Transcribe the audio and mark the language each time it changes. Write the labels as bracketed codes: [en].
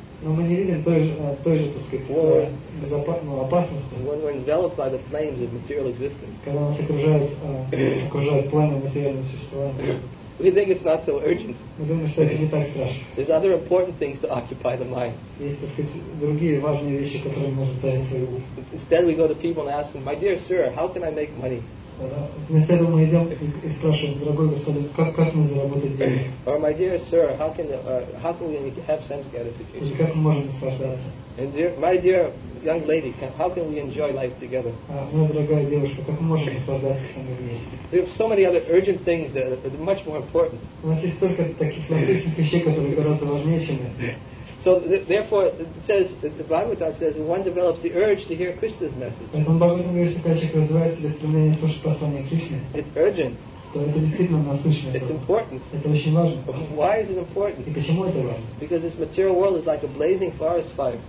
[ru] Но мы не видим той же, так сказать, [en] enveloped by the flames of material existence. [ru] Когда нас окружают пламя материального существования. [en] We think it's not so urgent. [ru] Мы думаем, что это не так страшно. [en] There's other important things to occupy the mind. [ru] Есть, так сказать, другие важные вещи, которые может занять свой ум. [en] Instead we go to people and ask them, my dear sir, how can I make money? [ru] Вместо этого мы идем и спрашиваем, дорогой господин, как мы заработать деньги? [en] Or my dear sir, how can we have sense gratification? [ru] Или как мы можем наслаждаться? [en] And my dear young lady, how can we enjoy life together? [ru] Моя дорогая девушка, как мы можем наслаждаться со мной вместе? [en] We have so many other urgent things that are much more important. [ru] У нас есть столько таких насущных вещей, которые гораздо важнее, чем это. [en] So therefore, it says that the Bhagavad Gita says one develops the urge to hear Krishna's message. It's urgent. It's important. Why is it important? Because this material world is like a blazing forest fire.